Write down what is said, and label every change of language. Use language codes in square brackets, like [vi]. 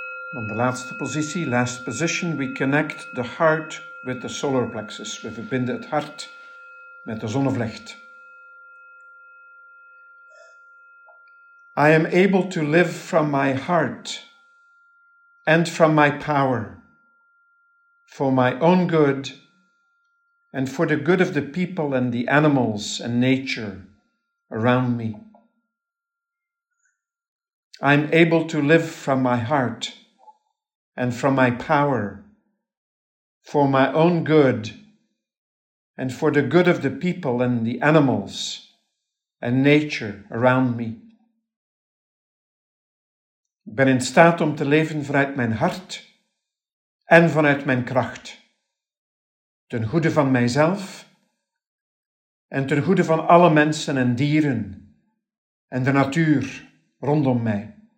[nl] Dan de laatste positie, [en] last position. We connect the heart with the solar plexus. [nl] We verbinden het hart met de zonnevlecht. [en] I am able to live from my heart and from my power for my own good and for the good of the people and the animals and nature around me. I am able to live from my heart and from my power for my own good and for the good of the people and the animals and nature around me. [nl] Ik ben in staat om te leven vanuit mijn hart en vanuit mijn kracht, ten goede van mijzelf en ten goede van alle mensen en dieren en de natuur rondom mij.